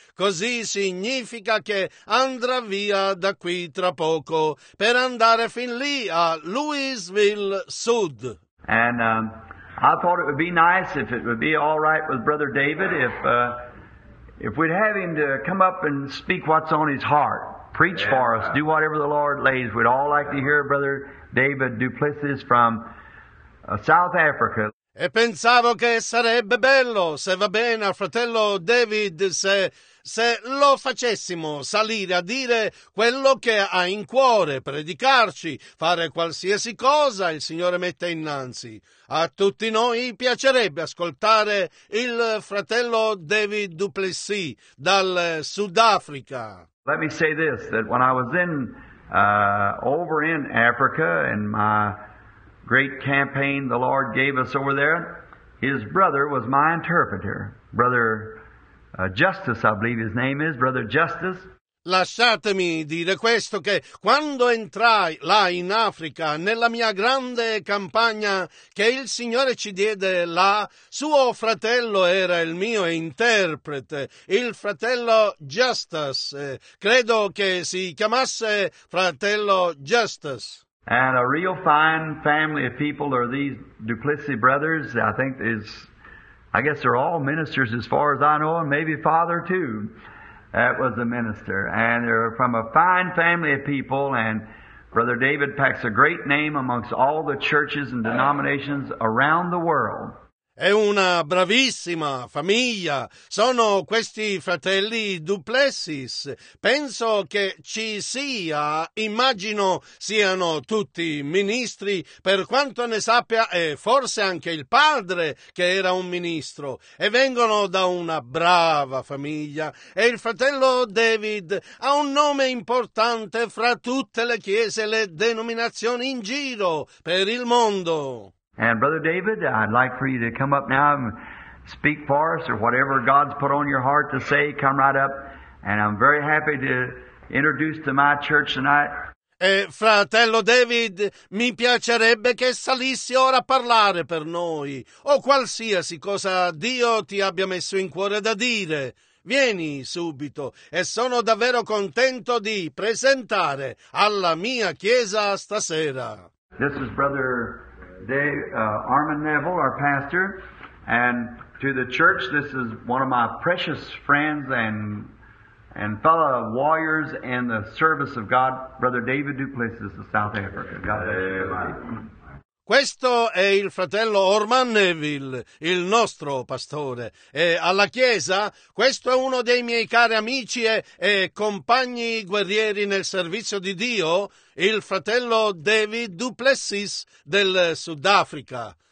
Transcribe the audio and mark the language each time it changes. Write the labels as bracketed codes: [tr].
[it] Così significa che andrà via da qui tra poco per andare fin lì a Louisville Sud. [en] And I thought it would be nice if it would be all right with Brother David if we'd have him to come up and speak what's on his heart, preach for us, do whatever the Lord lays, we'd all like to hear Brother David Duplessis from South Africa. [it] E pensavo che sarebbe bello, se va bene al fratello David, se lo facessimo salire a dire quello che ha in cuore, predicarci, fare qualsiasi cosa il Signore mette innanzi. A tutti noi piacerebbe ascoltare il fratello David Duplessis dal Sudafrica. [en] Let me say this, that when I was in over in Africa in my great campaign the Lord gave us over there, his brother was my interpreter, Brother Justice, I believe his name is, Brother Justice. [it] Lasciatemi dire questo, che quando entrai là in Africa, nella mia grande campagna che il Signore ci diede là, suo fratello era il mio interprete, il fratello Justice. Credo che si chiamasse fratello Justice. [en] And a real fine family of people are these Duplessis brothers. I think is, I guess they're all ministers as far as I know, and maybe father too. That was a minister. And they're from a fine family of people, and Brother David packs a great name amongst all the churches and denominations around the world. [it] È una bravissima famiglia. Sono questi fratelli Duplessis. Penso che ci sia, immagino siano tutti ministri, per quanto ne sappia, e forse anche il padre che era un ministro. E vengono da una brava famiglia. E il fratello David ha un nome importante fra tutte le chiese e le denominazioni in giro per il mondo. [en] And Brother David, I'd like for you to come up now and speak for us, or whatever God's put on your heart to say, come right up. And I'm very happy to introduce to my church tonight. [it] E fratello David, mi piacerebbe che salissi ora a parlare per noi, o qualsiasi cosa Dio ti abbia messo in cuore da dire. Vieni subito, e sono davvero contento di presentare alla mia chiesa stasera. [en] This is Brother Dave, Armin Neville, our pastor, and to the church, this is one of my precious friends and fellow warriors in the service of God, Brother David Duplessis of South Africa. God bless you. [it] Questo è il fratello Orman Neville, il nostro pastore. E alla chiesa, questo è uno dei miei cari amici e compagni guerrieri nel servizio di Dio, il fratello David Duplessis del Sudafrica.